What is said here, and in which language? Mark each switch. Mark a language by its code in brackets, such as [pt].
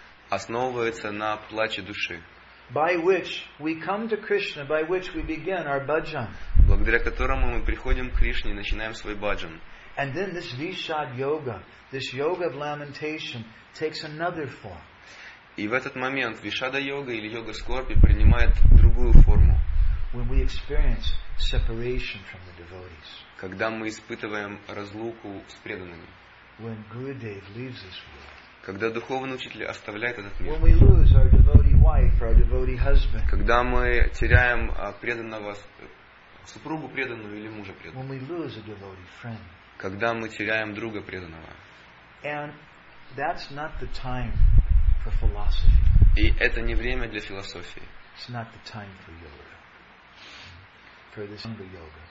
[ru] Основывается на плаче души. [en] By which we come to Krishna, by which we begin our bhajan. [ru] Благодаря которому мы приходим к Кришне и начинаем свой bhajan. [en] And then this Vishad Yoga, this yoga of lamentation, takes another form. [ru] И в этот момент Вишада йога или йога скорби принимает другую форму. [en] When we experience separation from the devotees. [ru] Когда мы испытываем разлуку с преданными. [en] When Gurudev leaves this world. [ru] Когда духовный учитель оставляет этот мир. [en] When we lose our devotee wife or our devotee husband. [ru] Когда мы теряем преданного супругу преданную или мужа преданного. [en] When we lose a devotee friend. [ru] Когда мы теряем друга преданного. [en] And that's not the time for philosophy. [ru] И это не время для философии. [en] It's not the time for yoga. For the Ashtanga yoga.